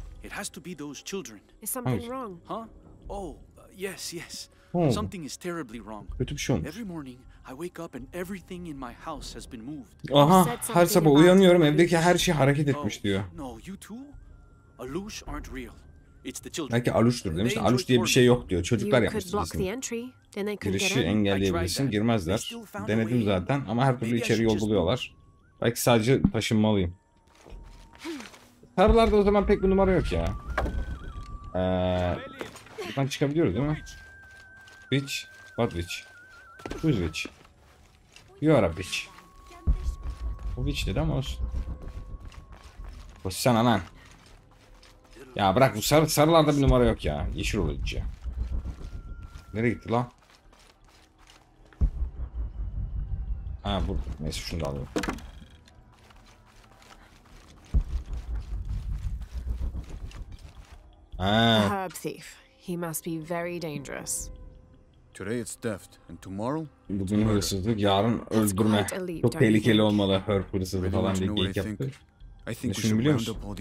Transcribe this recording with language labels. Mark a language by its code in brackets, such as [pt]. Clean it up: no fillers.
[en] It has to be those children. Is something wrong? Huh? Oh, yes, yes. Something is terribly wrong. [tr] Kötü bir şey olmuş. [en] Every morning I wake up and everything in my house has been moved. [tr] Aha, her sabah uyanıyorum evdeki her şey hareket etmiş diyor. [en] No, you too? Alush aren't real. It's the children. [tr] Belki Alush'tur demiş. Alush diye bir şey yok diyor. Çocuklar yapmış bizim. Girişi engelleyebilirsin, girmezler. Denedim zaten ama her türlü içeri yol buluyorlar. Belki sadece taşınmalıyım. Tarlarda o zaman pek bir numara yok ya. Buradan çıkabiliyoruz değil mi? [en] Witch, what witch? Who's witch? You are a witch. [tr] O witch dedi ama olsun. Koşsana lan. Ya bırak bu sarılarda bir numara yok ya. Yeşil olucu. Nereye gitti lan? Ha burada. Neyse şunu da alayım. [en] Herb thief. He must be very dangerous. Today it's theft, and tomorrow. [tr] Bugün hırsızlık, yarın öldürme. Çok tehlikeli olmalı. Herb hırsızlık falan diye geyik yaptı. Ne düşündün biliyor musun?